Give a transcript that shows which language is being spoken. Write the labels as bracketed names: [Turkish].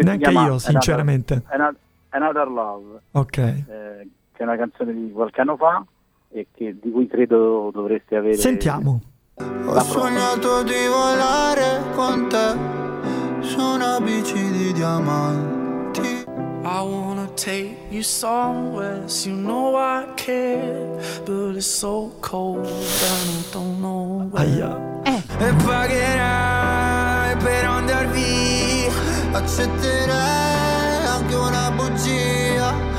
[Italian] neanche si chiama io sinceramente, [English] Another Love, okay, [Italian] che è una canzone di qualche anno fa e che di cui credo dovreste avere. Sentiamo. Ho sognato di volare con te su una bici di diamanti. [English] I wanna take you somewhere, so you know I care, but it's so cold and I don't know where. [Italian] Aia. E pagherai per andar via, accetterai anche una bugia.